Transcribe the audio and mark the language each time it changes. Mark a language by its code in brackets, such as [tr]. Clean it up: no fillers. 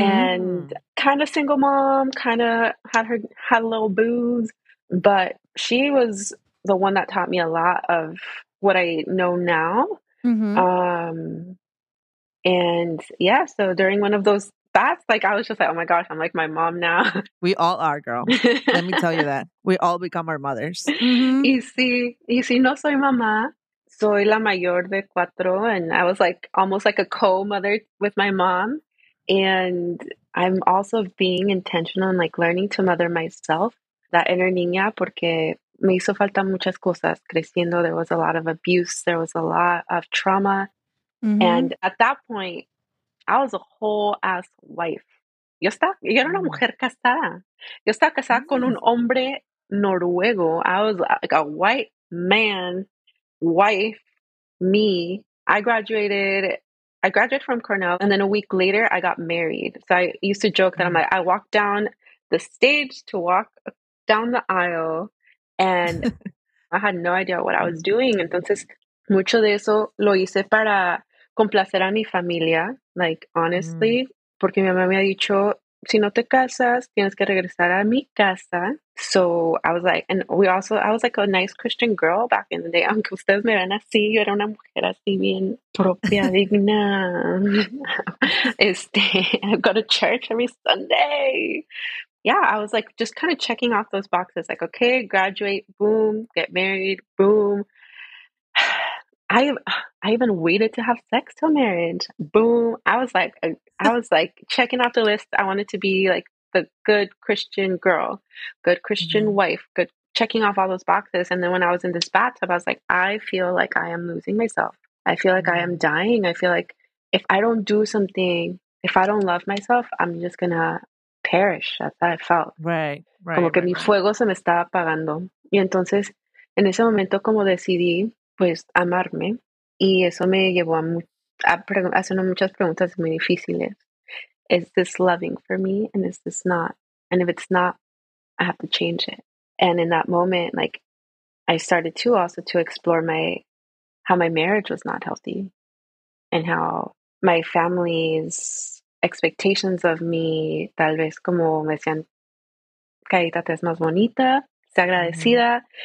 [en] And kind of single mom, kind of had a little booze, but she was the one that taught me a lot of what I know now. Mm-hmm. And yeah, so during one of those baths, like, I was just like, oh my gosh, I'm like my mom now. We all are, girl. Let me tell you that. We all become our mothers. Mm-hmm. [es] Y si no soy mamá, soy la mayor de cuatro. [en] And I was like almost like a co-mother with my mom. And I'm also being intentional and like learning to mother myself, that inner niña, [es] porque me hizo falta muchas cosas creciendo. [en] There was a lot of abuse. There was a lot of trauma. Mm-hmm. And at that point, I was a whole ass wife. [es] Yo era una mujer casada. Yo estaba casada con un hombre noruego. [en] I was like a white man, wife, me. I graduated from Cornell, and then a week later, I got married. So I used to joke that I'm like, I walked down the stage to walk down the aisle, and I had no idea what I was doing. [es] Entonces, mucho de eso lo hice para complacer a mi familia, [en] like, honestly, [es] porque mi mamá me ha dicho, si no te casas, tienes que regresar a mi casa. [en] So I was like, and we also, I was like a nice Christian girl back in the day. [es] Aunque ustedes me ven así, yo era una mujer así bien propia, digna. [en] I go to church every Sunday. Yeah, I was like just kind of checking off those boxes. Like, okay, graduate, boom, get married, boom. I even waited to have sex till marriage. Boom. I was like checking off the list. I wanted to be like the good Christian girl, good Christian wife, good, checking off all those boxes. And then when I was in this bathtub, I was like, I feel like I am losing myself. I feel like I am dying. I feel like if I don't do something, if I don't love myself, I'm just going to perish. That's how I felt. Right. [es] Como que [en] right, [es] mi fuego se me estaba apagando. Y entonces, en ese momento, como decidí, pues, amarme. Y eso me llevó a hacer muchas preguntas muy difíciles. [en] Is this loving for me? And is this not? And if it's not, I have to change it. And in that moment, like, I started to also to explore how my marriage was not healthy. And how my family's expectations of me, [es] tal vez como me decían, caída te es más bonita. sea agradecida.